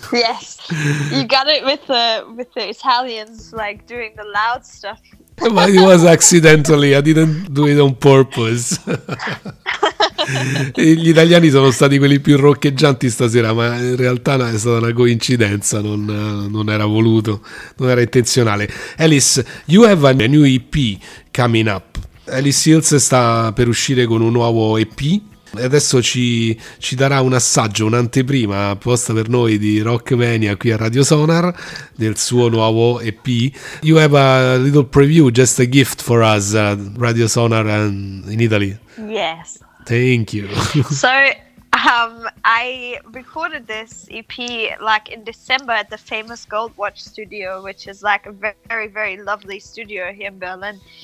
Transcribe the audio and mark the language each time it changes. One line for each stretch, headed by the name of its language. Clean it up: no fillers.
English: Yes, you got it with the Italians, like, doing the loud stuff. But it was accidentally, I didn't do it on purpose.
Italian: Gli italiani sono stati quelli più roccheggianti stasera, ma in realtà è stata una coincidenza, non era voluto, non era intenzionale.
English: Alice, you have a new EP coming up.
Italian: Alice Hills sta per uscire con un nuovo EP e adesso ci darà un assaggio, un'anteprima apposta per noi di Rockmania qui a Radio Sonar del suo nuovo EP.
English: You have a little preview, just a gift for us, Radio Sonar and in Italy. Yes. Thank you. So, I recorded this EP like in December at the famous Gold Watch studio, which is like a very, very lovely studio here in Berlin.